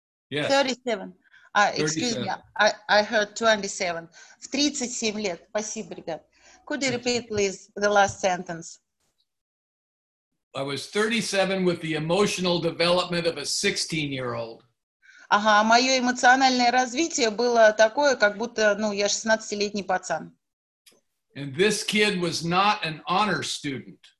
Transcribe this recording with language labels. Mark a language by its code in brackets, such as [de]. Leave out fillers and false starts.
[en] Yes. 37. Excuse me, I heard 27. [ru] В 37 лет. Спасибо, ребят. [en] Could you repeat, please, the last sentence? I was 37 with the emotional development of a 16-year-old. [ru] Ага, мое эмоциональное развитие было такое, как будто, ну, я 16-летний пацан. [en] And this kid was not an honor student.